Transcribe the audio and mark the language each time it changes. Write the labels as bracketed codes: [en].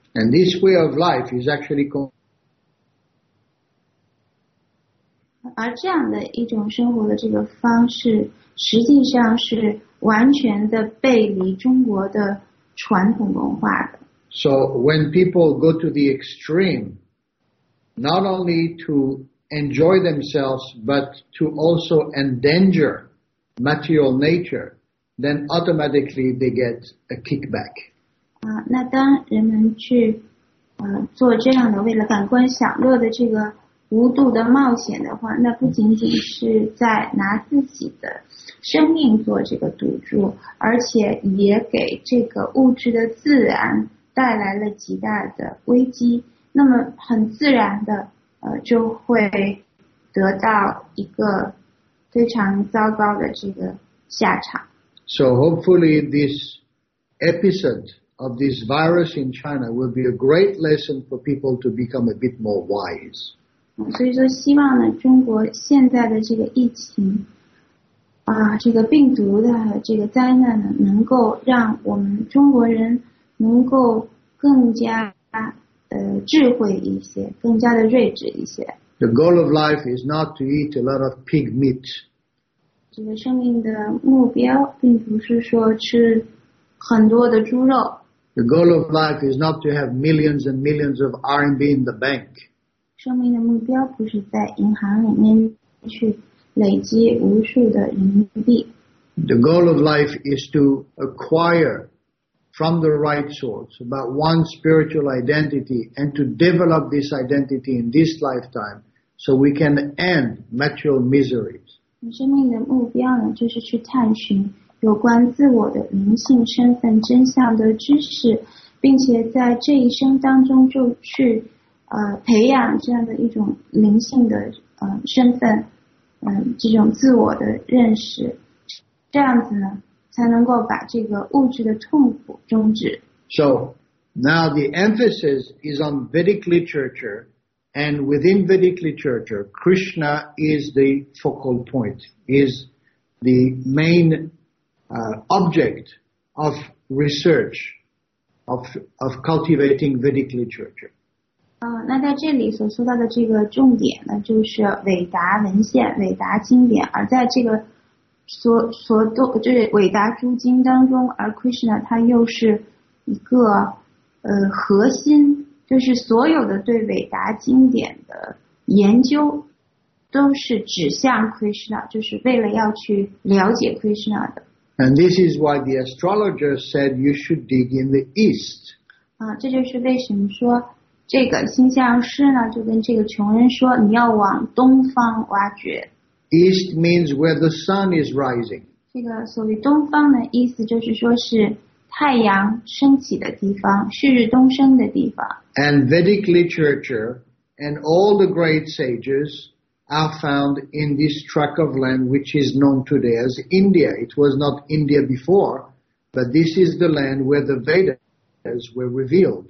[en] And this way of life is actually going. [zh] 而这样的一种生活的这个方式，实际上是完全的背离中国的传统文化的。 [en] So when people go to the extreme, not only to enjoy themselves, but to also endanger material nature, then automatically they get a kickback. [zh] 那当人们去做这样的为了感官享乐的这个无度的冒险的话，那不仅仅是在拿自己的生命做这个赌注，而且也给这个物质的自然带来了极大的危机，那么很自然的就会得到一个非常糟糕的这个下场。 [en] So hopefully this episode of this virus in China will be a great lesson for people to become a bit more wise. [zh] 所以说希望呢，中国现在的这个疫情这个病毒的这个灾难呢，能够让我们中国人能够更加智慧一些，更加的睿智一些。 [en] The goal of life is not to eat a lot of pig meat. [zh] 这个生命的目标并不是说吃很多的猪肉。 [en] The goal of life is not to have millions and millions of RMB in the bank. [zh] 生命的目标不是在银行里面去累积无数的人民币。 [en] The goal of life is to acquire from the right source about one spiritual identity and to develop this identity in this lifetime so we can end material miseries. [zh] 生命的目标呢，就是去探寻有关自我的灵性身份真相的知识，并且在这一生当中就去培养这样的一种灵性的身份，这种自我的认识，这样子呢才能够把这个物质的痛苦终止。 [en] So, now the emphasis is on Vedic literature, and within Vedic literature, Krishna is the focal point, is the main object of research, of cultivating Vedic literature. [zh] 那在这里所说到的这个重点呢，就是韦达文献、韦达经典，而在这个就是伟大诸经当中，而 Krishna 他又是一个核心，就是所有的对伟大经典的研究都是指向 Krishna， 就是为了要去了解 Krishna 的。 [en] And this is why the astrologer said you should dig in the east. [zh] 这就是为什么说这个星象师呢就跟这个穷人说你要往东方挖掘。 [en] East means where the sun is rising. [zh] 这个所谓东方的意思就是说是太阳升起的地方，旭日东升的地方。 [en] And Vedic literature and all the great sages are found in this tract of land which is known today as India. It was not India before, but this is the land where the Vedas were revealed.